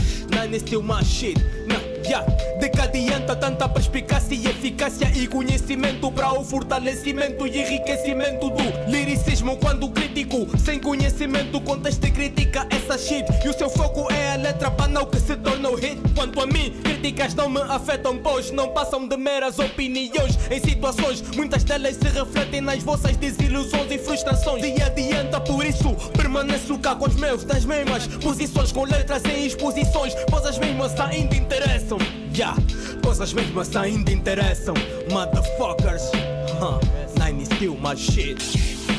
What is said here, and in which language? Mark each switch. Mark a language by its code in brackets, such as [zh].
[en] Nine is still my shit, nah, yeah. [pt] De que adianta tanta perspicácia e eficácia e conhecimento para o fortalecimento e enriquecimento do liricismo, quando crítico, sem conhecimento, contexto e crítica, essa shit. E o seu foco é a letra banal que se torna o hit. Quanto a mim, críticas não me afetam, pois não passam de meras opiniões em situações. Muitas delas se refletem nas vossas desilusões e frustrações. E adianta, por isso, permaneço cá com os meus, das mesmas posições, com letras em exposições, pois as mesmas ainda interessam. [en] Yeah, [pt] pois as mesmas ainda interessam, [en] motherfuckers. Nine is still my shit.